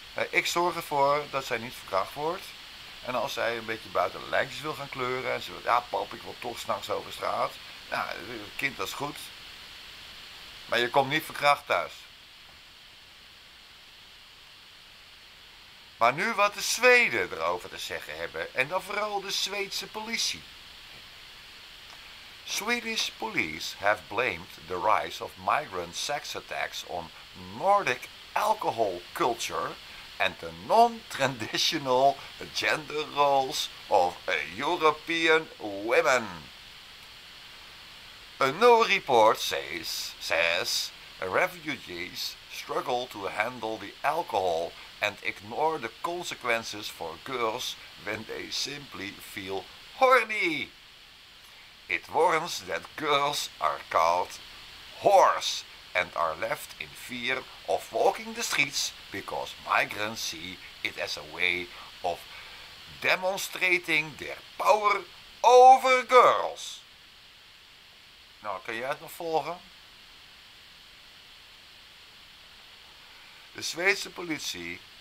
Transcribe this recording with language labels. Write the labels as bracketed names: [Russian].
[Dutch] Ik zorg ervoor dat zij niet verkracht wordt. En als zij een beetje buiten de lijntjes wil gaan kleuren en ze wil, ja pap, ik wil toch s'nachts over straat. Nou, kind, dat is goed. Maar je komt niet verkracht thuis. Maar nu wat de Zweden erover te zeggen hebben, en dan vooral de Zweedse politie. [English] Swedish police have blamed the rise of migrant sex attacks on Nordic alcohol culture and the non-traditional gender roles of European women. A new report says refugees struggle to handle the alcohol and ignore the consequences for girls when they simply feel horny. It warns that girls are called whores and are left in fear of walking the streets because migrants see it as a way of demonstrating their power over girls. [Dutch] Nou, kan jij het nog volgen? De Zweedse politie.